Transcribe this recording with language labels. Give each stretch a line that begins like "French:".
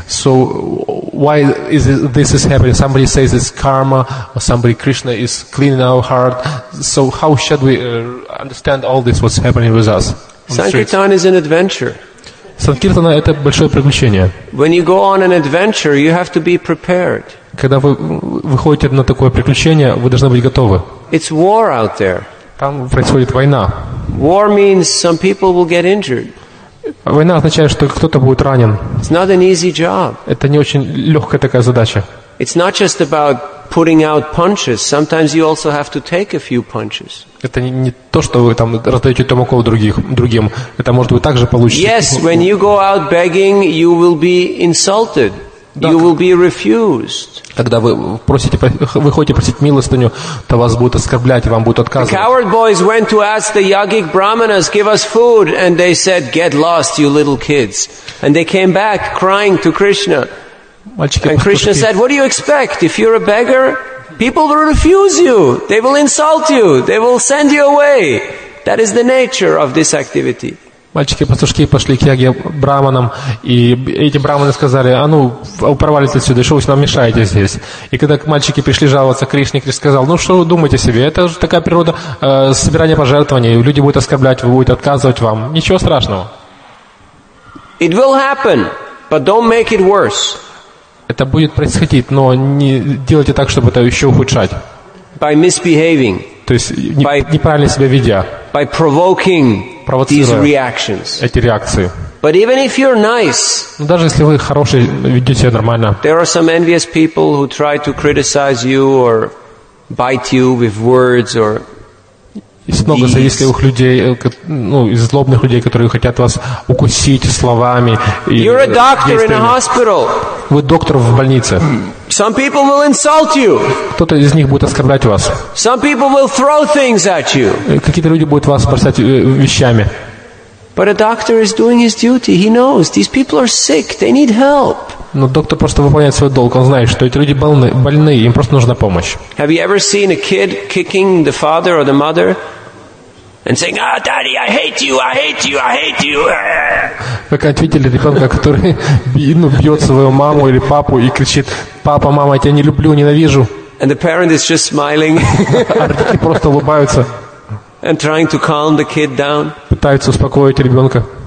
English: So why is this is happening? Somebody says it's karma, or somebody Krishna is cleaning our heart. So how should we understand all this? What's happening with us? Sankirtan is an adventure.
Russian: Sankirtana – это большое приключение.
English: When you go on an adventure, you have to be prepared.
Russian: Когда вы выходите на такое приключение, вы должны быть готовы.
English: It's war out there.
Russian: Там происходит война.
English: War means some people will get injured.
Russian: Война означает, что кто-то будет ранен.
English: It's not an easy job.
Russian: Это не очень легкая такая задача.
English: It's not just about putting out punches. Sometimes you also have to take a few punches.
Russian: Это не то, что вы там раздаете тумаков другим. Это может быть также получится.
English: Yes, when you go out begging, you will be insulted.
Russian: Да,
English: you will be refused.
Russian: Когда вы просите, выходите просить милостыню, то вас будут оскорблять, вам будут отказывать.
English: The coward boys went to ask the yogic brahmanas, give us food, and they said, get lost, you little kids. And they came back crying to Krishna.
Russian: Мальчики,
English: and Krishna said, what do you expect? If you're a beggar, people will refuse you. They will insult you. They will send you away. That is the nature of this activity.
Russian: Мальчики-пастушки пошли к яге браманам, и эти браманы сказали, а ну, упорвались отсюда, что вы нам мешаете здесь? И когда мальчики пришли жаловаться, Кришне сказал, ну что вы думаете о себе? Это же такая природа собирания пожертвований. Люди будут оскорблять, вы будете отказывать вам. Ничего страшного.
English: It will happen, but don't make it worse.
Russian: Это будет происходить, но не делайте так, чтобы это еще ухудшать.
English: By misbehaving.
Russian: То есть неправильно себя ведя.
English: By provoking these reactions.
Russian: Эти реакции.
English: But even if you're nice.
Russian: Но даже если вы хороший, ведете себя нормально.
English: There are some envious people who try to criticize you or bite you with words or.
Russian: Есть много завистливых людей, ну, из злобных людей, которые хотят вас укусить словами.
English: You're a doctor in a hospital.
Russian: Вы доктор в больнице.
English: Some people will insult you.
Russian: Кто-то из них будет оскорблять вас.
English: Some people will throw things at you.
Russian: Какие-то люди будут вас бросать вещами.
English: But a doctor is doing his duty. He knows these people are sick. They need help.
Russian: Но доктор просто выполняет свой долг. Он знает, что эти люди больны, им просто нужна помощь.
English: Have you ever seen a kid kicking the father or the mother and saying, "Ah, daddy, I hate you! I hate you! I hate you!"
Russian: Вы как видели ребенка, который бьет свою маму или папу и кричит, "Папа, мама, я тебя не люблю, ненавижу"?
English: And the parent is just smiling.
Russian: Родители просто улыбаются.
English: And trying to calm the kid down.
Russian: Пытаются успокоить ребенка.